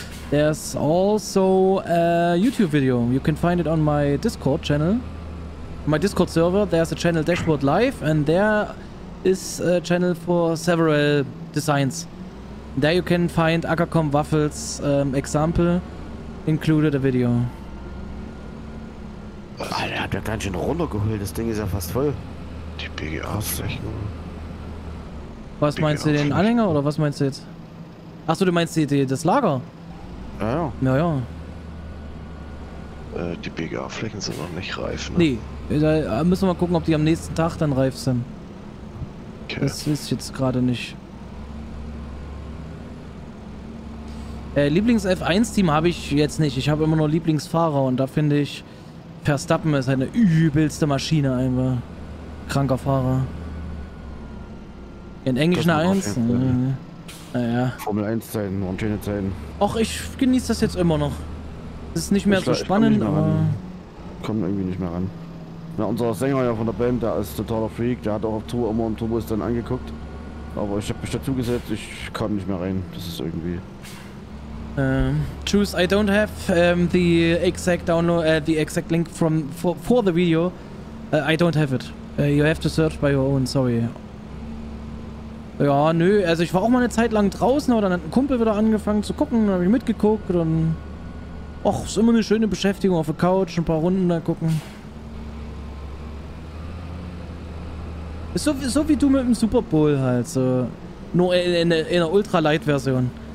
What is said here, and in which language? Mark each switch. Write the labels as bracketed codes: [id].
[en] There's also a YouTube video. You can find it on my Discord channel. My Discord server, there's a channel Dashboard Live, and there is a channel for several designs. There you can find Agacom Waffles example included a video. [de] Alter, hat ja ganz schön runtergeholt, das Ding ist ja fast voll. Die BGA-Flächen. Was BGA meinst du, den Anhänger oder was meinst du jetzt? Achso, du meinst die das Lager? Ja, ja. Ja, ja. Die BGA-Flächen sind noch nicht reif, ne? Nee. Da müssen wir mal gucken, ob die am nächsten Tag dann reif sind. Okay. Das ist jetzt gerade nicht. Lieblings-F1-Team habe ich jetzt nicht. Ich habe immer nur Lieblingsfahrer und da finde ich, Verstappen ist eine übelste Maschine einfach. Kranker Fahrer. In Englischen 1? Naja. Formel 1-Zeiten, Montana-Zeiten. Och, ich genieße das jetzt immer noch. Das ist nicht mehr so spannend, aber. Kommt irgendwie nicht mehr ran. Ja, unser Sänger ja von der Band, der ist totaler Freak, der hat auch auf Tour immer im Turbos dann angeguckt. Aber ich habe mich dazu gesetzt, ich kam nicht mehr rein, das ist irgendwie. [en] Choose, I don't have the exact download, the exact link from for the video. I don't have it. You have to search by your own, sorry. [de] Ja, nö, also ich war auch mal eine Zeit lang draußen, aber dann hat ein Kumpel wieder angefangen zu gucken, dann habe ich mitgeguckt und. Och, ist immer eine schöne Beschäftigung auf der Couch, ein paar Runden da gucken. So wie du mit dem Super Bowl halt, so. Nur in einer Ultra-Light-Version.